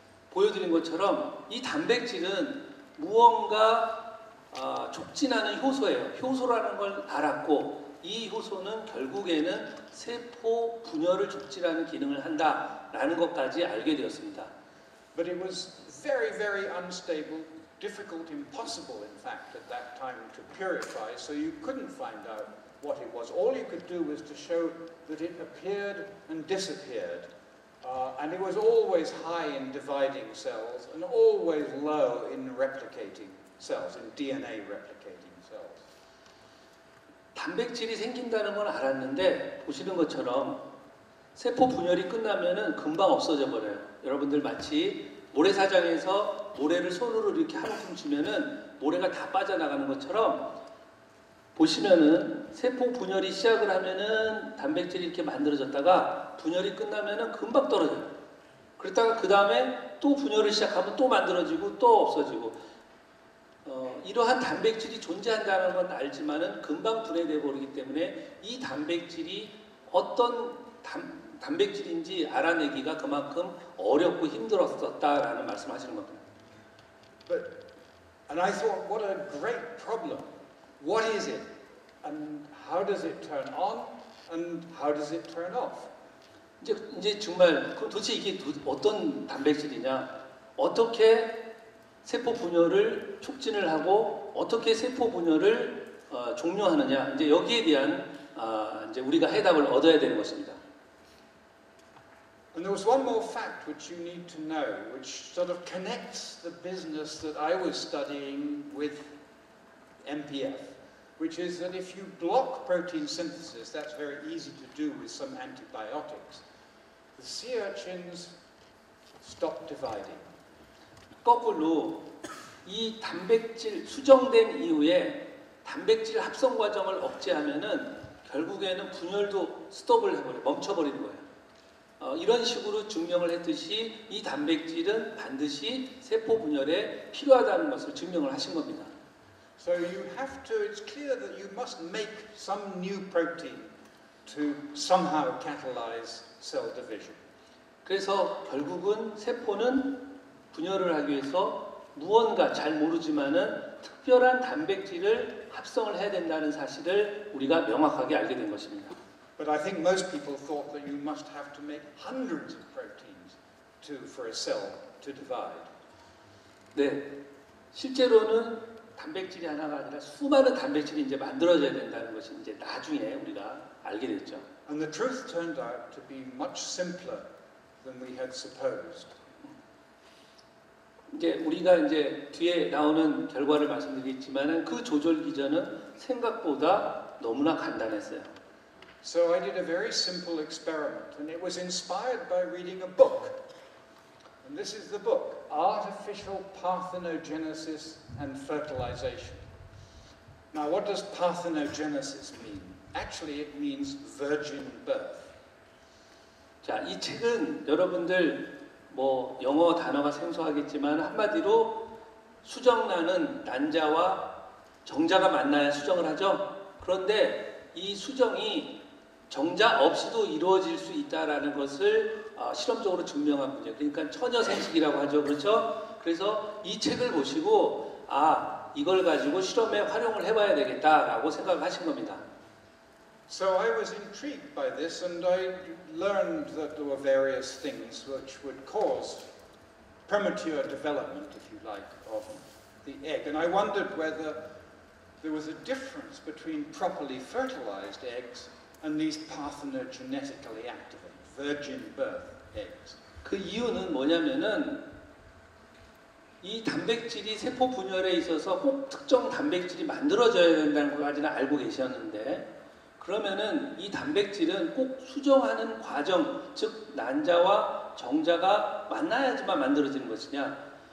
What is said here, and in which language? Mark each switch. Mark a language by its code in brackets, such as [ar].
[ko] 보여드린 것처럼 이 단백질은 무언가 촉진하는 효소예요. 효소라는 걸 알았고 이 효소는 결국에는 세포 분열을 촉진하는 기능을 한다라는 것까지 알게 되었습니다. [en] But it was very, very unstable, difficult, impossible, in fact, at that time to purify, so you couldn't find out what it was. All you could do was to show that it appeared and disappeared, and it was always high in dividing cells and always low in replicating cells, in DNA replicating cells. [ko] 단백질이 생긴다는 건 알았는데, 보시는 것처럼 세포 분열이 끝나면은 금방 없어져 버려요. 여러분들 마치 모래사장에서 모래를 손으로 이렇게 한 움큼 주면은 모래가 다 빠져나가는 것처럼 보시면은 세포 분열이 시작을 하면은 단백질이 이렇게 만들어졌다가 분열이 끝나면은 금방 떨어져요. 그러다가 그 다음에 또 분열을 시작하면 또 만들어지고 또 없어지고 이러한 단백질이 존재한다는 건 알지만은 금방 분해되어 버리기 때문에 이 단백질이 어떤 단백질인지 알아내기가 그만큼 어렵고 힘들었었다라는 말씀하시는 겁니다. [en] But and I thought, what a great problem. What is it, and how does it turn on, and how does it turn off? [ko] 이제 정말 도대체 이게 어떤 단백질이냐, 어떻게 세포 분열을 촉진을 하고 어떻게 세포 분열을 종료하느냐 이제 여기에 대한 이제 우리가 해답을 얻어야 되는 것입니다. [en] And there was one more fact which you need to know, which sort of connects the business that I was studying with MPF, which is that if you block protein synthesis, that's very easy to do with some antibiotics. The sea urchins stop dividing. [ko] 거꾸로 이 단백질 수정된 이후에 단백질 합성 과정을 억제하면은 결국에는 분열도 스톱을 해버려 멈춰버리는 거예요. 이런 식으로 증명을 했듯이 이 단백질은 반드시 세포 분열에 필요하다는 것을 증명을 하신 겁니다. [en] So you have to. It's clear that you must make some new protein to somehow catalyze cell division. [ko] 그래서 결국은 세포는 분열을 하기 위해서 무언가 잘 모르지만은 특별한 단백질을 합성을 해야 된다는 사실을 우리가 명확하게 알게 된 것입니다. [en] But I think most people thought that you must have to make hundreds of proteins to for a cell to divide. [ko] 네, 실제로는 단백질이 하나가 아니라 수많은 단백질이 이제 만들어져야 된다는 것이 이제 나중에 우리가 알게 됐죠. [en] And the truth turned out to be much simpler than we had supposed. [ko] 이제 우리가 이제 뒤에 나오는 결과를 말씀드리겠지만은 그 조절 기전은 생각보다 너무나 간단했어요. [en] So I did a very simple experiment, and it was inspired by reading a book. And this is the book, Artificial Parthenogenesis and Fertilization. Now, what does parthenogenesis mean? Actually, it means virgin birth. [ko] 자, 이 책은 여러분들 뭐 영어 단어가 생소하겠지만 한마디로 수정란은 난자와 정자가 만나야 수정을 하죠. 그런데 이 수정이 정자 없이도 이루어질 수 있다라는 것을 실험적으로 증명한 문제. 그러니까 처녀생식이라고 하죠. 그렇죠? 그래서 이 책을 보시고 아, 이걸 가지고 실험에 활용을 해 봐야 되겠다라고 생각하신 겁니다. [en] So I was intrigued by this and I learned that there were various things which would cause premature development if you like of the egg and I wondered whether there was a difference between properly fertilized eggs and these parthenogenetically activated virgin birth eggs. [ko] 그 이유는 뭐냐면은 이 단백질이 세포 분열에 있어서 꼭 특정 단백질이 만들어져야 된다는 것까지는 알고 계셨는데 그러면은 이 단백질은 꼭 수정하는 과정, 즉 난자와 정자가 만나야지만 만들어지는 것이냐?